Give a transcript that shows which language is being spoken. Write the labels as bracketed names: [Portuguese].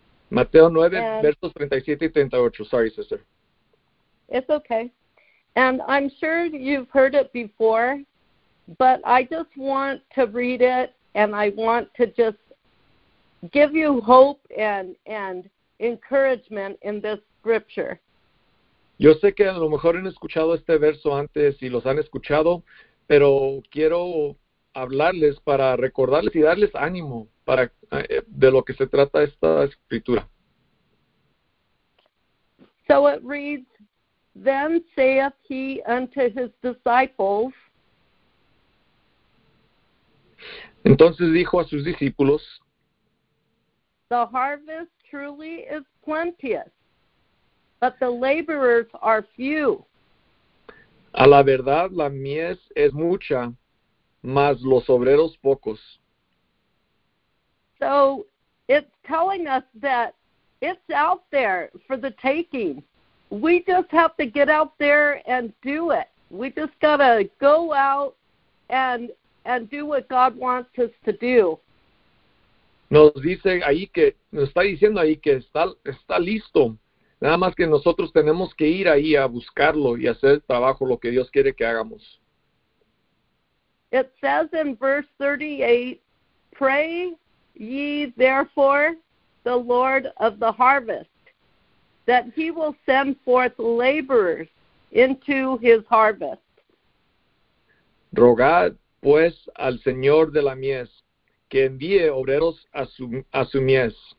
[Spanish] Mateo 9, versos 37 y 38. [English] Sorry, sister. It's okay. And I'm sure you've heard it before, but I just want to read it, and I want to just give you hope and encouragement in this scripture. [Spanish] Yo sé que a lo mejor han escuchado este verso antes y los han escuchado, pero quiero hablarles para recordarles y darles ánimo para de lo que se trata esta escritura. [English] So it reads, then saith he unto his disciples. [Spanish] Entonces dijo a sus discípulos. [English] The harvest truly is plenteous, but the laborers are few. [Spanish] A la verdad, la mies es mucha, mas los obreros pocos. [English] So it's telling us that it's out there for the taking. We just have to get out there and do it. We just got to go out and do what God wants us to do. [Spanish] Nos dice ahí que, nos está diciendo ahí que está listo. Nada más que nosotros tenemos que ir ahí a buscarlo y hacer el trabajo, lo que Dios quiere que hagamos. [English] It says in verse 38, pray ye therefore the Lord of the harvest, that he will send forth laborers into his harvest. [Spanish] Rogad pues al Señor de la mies, que envíe obreros a su mies.